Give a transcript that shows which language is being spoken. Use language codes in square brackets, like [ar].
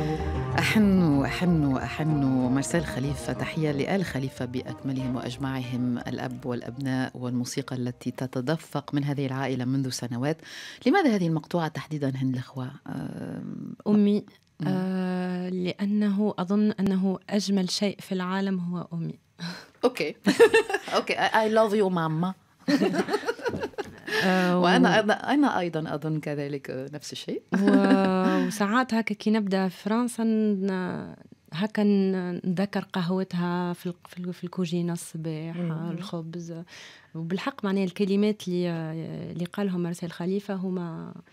[ar] مرسال خليفة، تحية لآل خليفة بأكملهم وأجمعهم، الأب والأبناء والموسيقى التي تتدفق من هذه العائلة منذ سنوات. لماذا هذه المقطوعة تحديدا هند الأخوة؟ أمي لأنه أظن أنه أجمل شيء في العالم هو أمي. أوكي أوكي، [en] I love you mama. [ar] وأنا أنا أيضا أظن كذلك نفس الشيء. وساعات هكا كي نبدأ في فرنسا هكا نذكر قهوتها في الكوجينة الصباح الخبز. وبالحق معناها الكلمات اللي قالهم مرسال خليفة هما